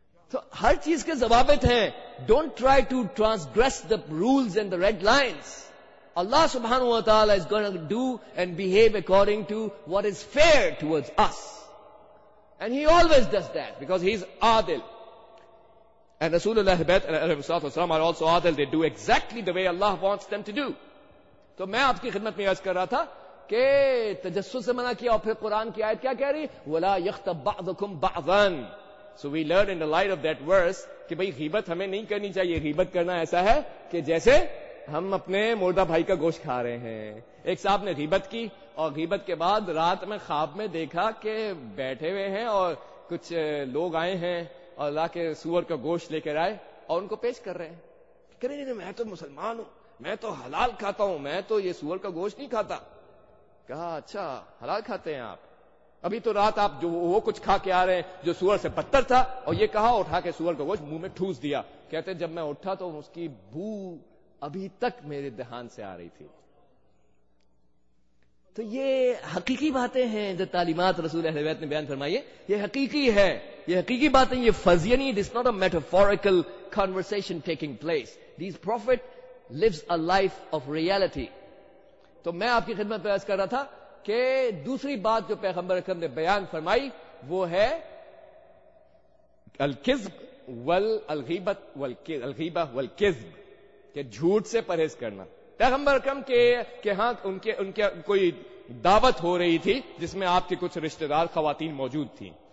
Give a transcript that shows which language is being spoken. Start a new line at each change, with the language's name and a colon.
Urdu: تو ہر چیز کے ضوابط ہیں,
English: Don't try to transgress the rules and the red lines. اللہ سبحانہ و تعالی is going to do and behave according to what is fair towards us, and he always does that because he is عادل. And Rasulullah Rasulullah are also adil, they do exactly the way Allah wants them to do.
Urdu: تو میں آپ کی خدمت میں عرض کر رہا تھا کہ تجسس سے منع کیا, اور پھر قرآن کی آیت کیا کہہ رہی,
Arabic: ولا یغتب بعضکم بعضا.
English: So we learn in the light of that verse
Urdu: کہ بھئی غیبت ہمیں نہیں کرنی چاہیے. غیبت کرنا ایسا ہے کہ جیسے ہم اپنے مردہ بھائی کا گوشت کھا رہے ہیں. ایک صاحب نے غیبت کی اور غیبت کے بعد رات میں خواب میں دیکھا کہ بیٹھے ہوئے ہیں اور کچھ لوگ آئے ہیں اور لا کے سور کا گوشت لے کر آئے اور ان کو پیش کر رہے ہیں. کہہ رہے ہیں میں تو مسلمان ہوں, میں تو حلال کھاتا ہوں, میں تو یہ سور کا گوشت نہیں کھاتا. کہا اچھا حلال کھاتے ہیں آپ, ابھی تو رات آپ جو وہ کچھ کھا کے آ رہے ہیں جو سور سے بدتر تھا, اور یہ کہا اٹھا کے سور کا گوشت منہ میں ٹھوس دیا. کہتے جب میں اٹھا تو اس کی بو ابھی تک میرے دھیان سے آ رہی تھی. تو یہ حقیقی باتیں ہیں جو تعلیمات رسول اہل بیت نے بیان فرمائی, یہ حقیقی ہے, یہ حقیقی باتیں, یہ فرضیہ نہیں.
English: This not a metaphorical conversation taking place, these prophet lives a life of reality.
Urdu: تو میں آپ کی خدمت پر عرض کر رہا تھا کہ دوسری بات جو پیغمبر اکرم نے بیان فرمائی وہ ہے الکذب والغیبت والغیبہ والکذب, کہ جھوٹ سے پرہیز کرنا. پیغمبر اکرم کے ہاں ان کے کوئی دعوت ہو رہی تھی جس میں آپ کے کچھ رشتہ دار خواتین موجود تھیں.